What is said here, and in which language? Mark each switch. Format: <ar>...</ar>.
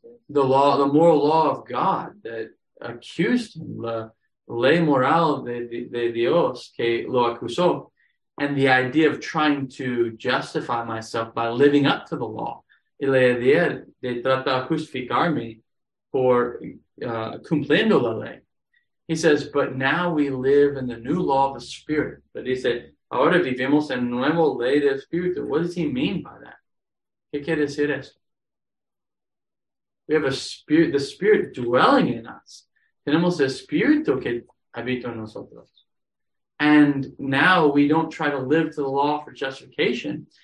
<en>The law, the moral law of God that accused him,</en> <es>la ley moral de Dios que lo acusó,</es> <en>and the idea of trying to justify myself by living up to the law.</en> <es>Y la idea de tratar de justificarme por cumpliendo la ley.</es> <en>He says, but now we live in the new law of the Spirit. But he said,</en> <es>ahora vivimos en nuevo ley de espíritu.</es> <en>What does he mean by that?</en> <es>¿Qué quiere decir esto?</es> <en>We have a spirit, the spirit dwelling in us.</en> <es>Tenemos el espíritu que habita en nosotros.</es> <en>And now we don't try to live to the law for justification.</en>